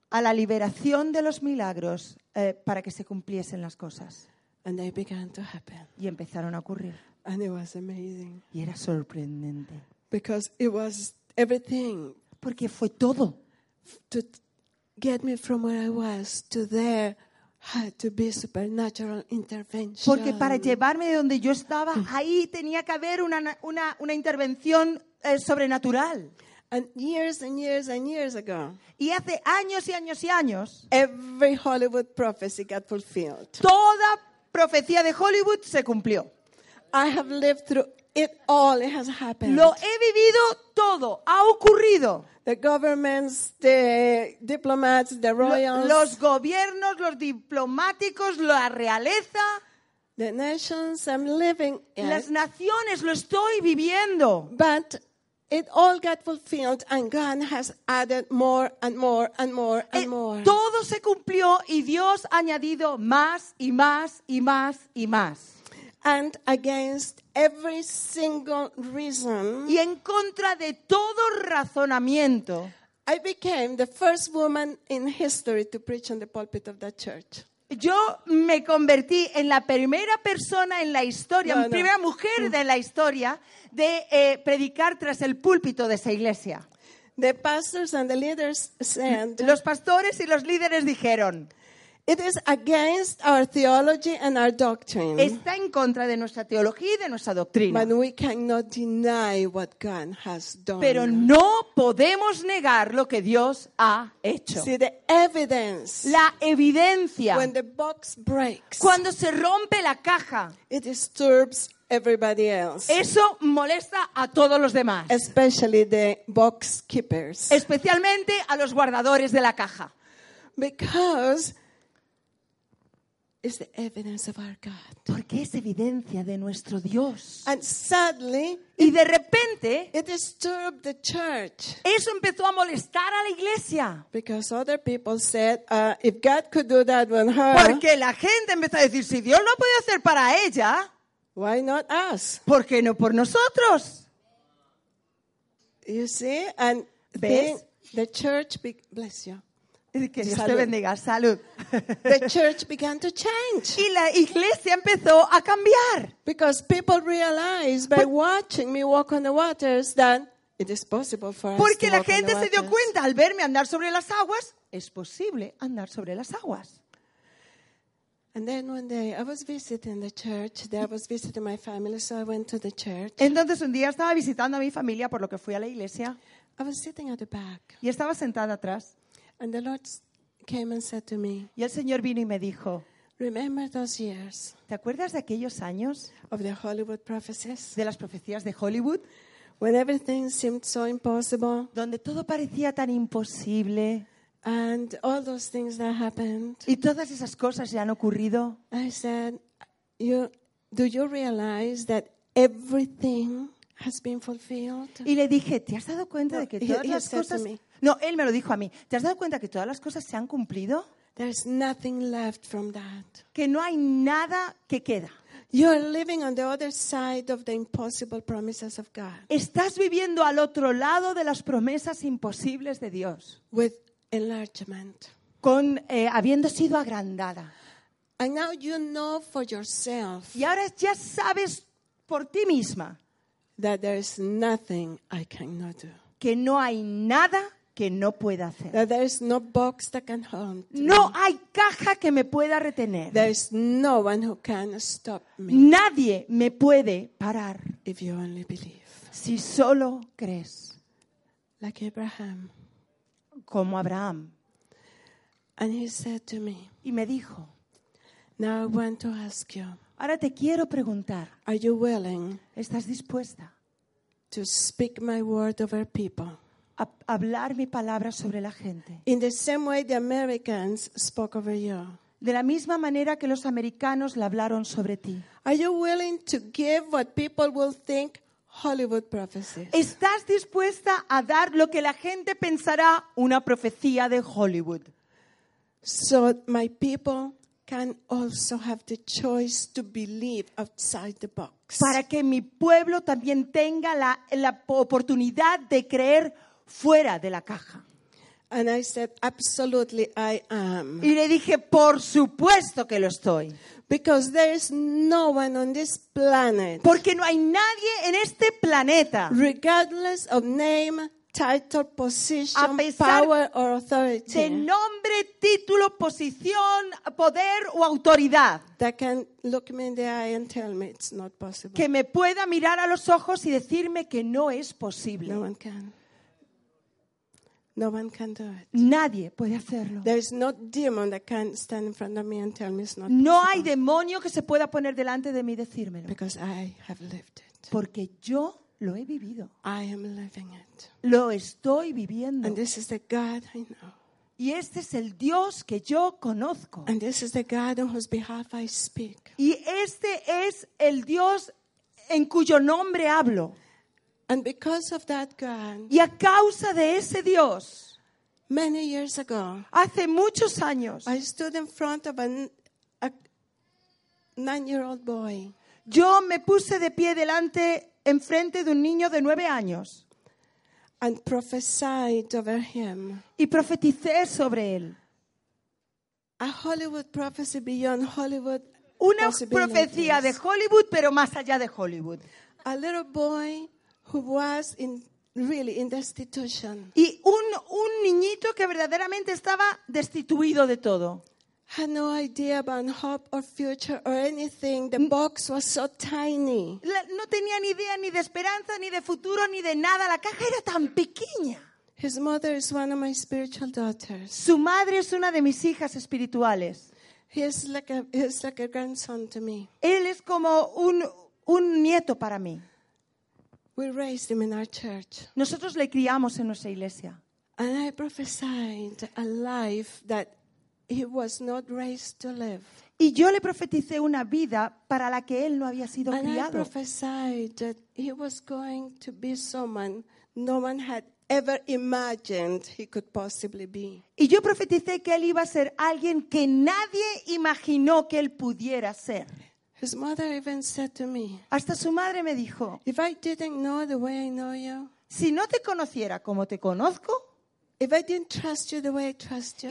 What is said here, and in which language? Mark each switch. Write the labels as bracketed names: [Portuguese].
[Spanish] A la liberación de los milagros para que se cumpliesen las cosas. [English] And they began to happen. [Spanish] Y empezaron a ocurrir. [English] And it was amazing. [Spanish] Y era sorprendente. [English] Because it was everything. [Spanish] Porque fue todo. [English] To get me from where I was to there had to be supernatural intervention. [Spanish] Porque para llevarme de donde yo estaba ahí tenía que haber una intervención sobrenatural. [English] And years and years and years ago. [Spanish] Y hace años y años y años. [English] Every Hollywood prophecy got fulfilled. [Spanish] Toda profecía de Hollywood se cumplió. [English] I have lived through it all. It has happened. [Spanish] Lo he vivido todo. Ha ocurrido. [English] The governments, the diplomats, the royals. [Spanish] Los gobiernos, los diplomáticos, la realeza. [English] The nations I'm living in. [Spanish] Las naciones lo estoy viviendo. [English] But it all got fulfilled, and God has added more and more and more and more. [Spanish] Todo se cumplió y Dios ha añadido más y más y más y más. [English] And against every single reason, [Spanish] y en contra de todo razonamiento, [English] I became the first woman in history to preach on the pulpit of that church. [Spanish] Yo me convertí en la primera persona en la historia, primera mujer de la historia de predicar tras el púlpito de esa iglesia. [English] The pastors and the leaders said, [Spanish] los pastores y los líderes dijeron, [English] it is against our theology and our doctrine. [Spanish] Está en contra de nuestra teología y de nuestra doctrina. [English] But we cannot deny what God has done. [Spanish] Pero no podemos negar lo que Dios ha hecho. [English] See, the evidence. [Spanish] La evidencia. [English] When the box breaks. [Spanish] Cuando se rompe la caja. [English] It disturbs everybody else. [Spanish] Eso molesta a todos los demás. [English] Especially the box keepers. [Spanish] Especialmente a los guardadores de la caja. [English] Because is the evidence of our God. [Spanish] Porque es evidencia de nuestro Dios. [English] And sadly, [Spanish] y de repente, [English] it disturbed the church. [Spanish] Eso empezó a molestar a la iglesia. [English] Because other people said, if God could do that with her. [Spanish] Porque la gente empezó a decir, si Dios lo puede hacer para ella, [English] why not us? [Spanish] ¿Por qué no por nosotros? [English] You see, and the church, bless you. [Spanish] Que Dios te bendiga. Salud. [English] The church began to change. [Spanish] Y la iglesia empezó a cambiar. [English] Because people realized by watching me walk on the waters that it is possible for us to walk. [Spanish] Porque la gente se dio cuenta al verme andar sobre las aguas, es posible andar sobre las aguas. [English] And then one day I was visiting the church. There I was visiting my family, so I went to the church. [Spanish] Entonces un día estaba visitando a mi familia, por lo que fui a la iglesia. [English] I was sitting at the back. [Spanish] Y estaba sentada atrás. [English] And the Lord came and said to me. [Spanish] Y el Señor vino y me dijo. [English] Remember those years. [Spanish] ¿Te acuerdas de aquellos años? [English] Of the Hollywood prophecies. [Spanish] De las profecías de Hollywood. [English] When everything seemed so impossible. [Spanish] Donde todo parecía tan imposible. [English] And all those things that happened. [Spanish] Y todas esas cosas ya han ocurrido. [English] I said, do you realize that everything has been fulfilled? [Spanish] Y le dije, ¿te has dado cuenta de que todas las cosas? No, él me lo dijo a mí. ¿Te has dado cuenta que todas las cosas se han cumplido? [English] There's nothing left from that. [Spanish] Que no hay nada que queda. [English] You are living on the other side of the impossible promises of God. [Spanish] Estás viviendo al otro lado de las promesas imposibles de Dios. [English] With enlargement. [Spanish] Con habiendo sido agrandada. [English] And now you know for yourself. [Spanish] Y ahora ya sabes por ti misma. [English] That there is nothing I cannot do. [Spanish] Que no hay nada que no pueda hacer. [English] That there is no box that can hold. [Spanish] No hay caja que me pueda retener. [English] There is no one who can stop me. [Spanish] Nadie me puede parar. [English] If you only believe. [Spanish] Si solo crees. [English] Like Abraham. [Spanish] Como Abraham. [English] And he said to me. [Spanish] Y me dijo. [English] Now I want to ask you. [Spanish] Ahora te quiero preguntar. [English] Are you willing? [Spanish] ¿Estás dispuesta? [English] To speak my word over people. [Spanish] A hablar mi palabra sobre la gente. [English] In the same way the Americans spoke over you. [Spanish] De la misma manera que los americanos le hablaron sobre ti. [English] Are you willing to give what people will think Hollywood prophecies? [Spanish] ¿Estás dispuesta a dar lo que la gente pensará una profecía de Hollywood? [English] So my people can also have the choice to believe outside the box. [Spanish] Para que mi pueblo también tenga la oportunidad de creer fuera de la caja. [English] And I said, absolutely, I am. [Spanish] Y le dije, por supuesto que lo estoy. [English] Because there is no one on this planet. [Spanish] Porque no hay nadie en este planeta. [English] Regardless of name, title, position, power or authority. [Spanish] De nombre, título, posición, poder o autoridad. [English] That can look me in the eye and tell me it's not possible. [Spanish] Que me pueda mirar a los ojos y decirme que no es posible. [English] No one can. No one can do it. [Spanish] Nadie puede hacerlo. [English] There is no demon that can stand in front of me and tell me it's not possible. [Spanish] No hay demonio que se pueda poner delante de mí y decírmelo. [English] Because I have lived it. [Spanish] Porque yo lo he vivido. [English] I am living it. [Spanish] Lo estoy viviendo. [English] And this is the God I know. [Spanish] Y este es el Dios que yo conozco. [English] And this is the God on whose behalf I speak. [Spanish] Y este es el Dios en cuyo nombre hablo. [English] And because of that God, [Spanish] y a causa de ese Dios, [English] many years ago, [Spanish] hace muchos años, [English] I stood in front of a 9-year-old boy. [Spanish] Yo me puse de pie delante, enfrente de un niño de 9 años. [English] And prophesied over him. [Spanish] Y profeticé sobre él. [English] A Hollywood prophecy beyond Hollywood. [Spanish] Una profecía de Hollywood, pero más allá de Hollywood. [English] A little boy who was in really in destitution. [Spanish] Y un niñito que verdaderamente estaba destituido de todo. [English] Had no idea about hope or future or anything. The box was so tiny. [Spanish] No tenía ni idea ni de esperanza ni de futuro ni de nada. La caja era tan pequeña. [English] His mother is one of my spiritual daughters. [Spanish] Su madre es una de mis hijas espirituales. [English] He is like a grandson to me. [Spanish] Él es como un nieto para mí. [English] We raised him in our church. [Spanish] Nosotros le criamos en nuestra iglesia. [English] And I prophesied a life that he was not raised to live. [Spanish] Y yo le profeticé una vida para la que él no había sido [English] and [Spanish] criado. [English] I prophesied that he was going to be someone no one had ever imagined he could possibly be. [Spanish] Y yo profeticé que él iba a ser alguien que nadie imaginó que él pudiera ser. [English] His mother even said to me. [Spanish] Hasta su madre me dijo. [English] If I didn't know the way I know you. [Spanish] Si no te conociera como te conozco. [English] If I didn't trust you the way I trust you.